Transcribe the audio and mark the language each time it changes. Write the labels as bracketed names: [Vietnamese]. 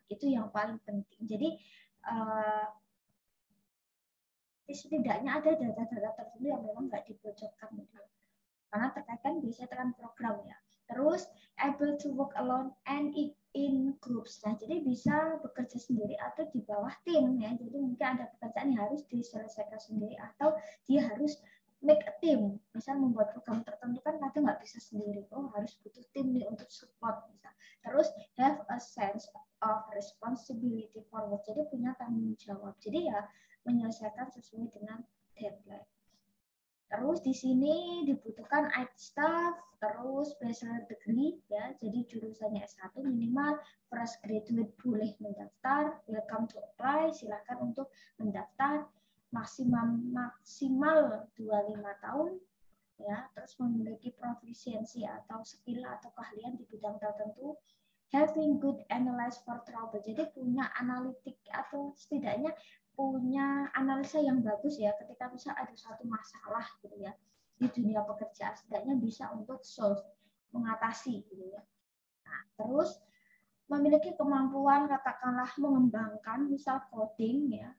[Indonesian] Itu yang paling penting. Jadi setidaknya ada data-data tertentu yang memang nggak dibocorkan karena terkait kan bisa dengan program ya. [English] Terus able to work alone and in groups. [Indonesian] Nah, jadi bisa bekerja sendiri atau di bawah tim ya. Jadi mungkin ada pekerjaan yang harus diselesaikan sendiri atau dia harus [English] make a team. [Indonesian] Misal membuat program tertentu kan nanti nggak bisa sendiri, harus butuh tim nih untuk support misal. [English] Terus have a sense of responsibility for work. [Indonesian] Jadi punya tanggung jawab. Jadi ya menyelesaikan sesuai dengan deadline. Terus di sini dibutuhkan IT staff, terus bachelor degree ya. Jadi jurusannya S1 minimal, fresh graduate boleh mendaftar, [English] welcome to apply, [Indonesian] silakan untuk mendaftar. Maksimal 25 tahun ya, terus memiliki proficiency atau skill atau keahlian di bidang tertentu. [English] Having good analyze for trouble. [Indonesian] Jadi punya analitik atau setidaknya punya analisa yang bagus ya ketika bisa ada suatu masalah gitu ya di dunia pekerjaan, setidaknya bisa untuk solve, mengatasi gitu ya. Nah, terus memiliki kemampuan katakanlah mengembangkan misal coding ya.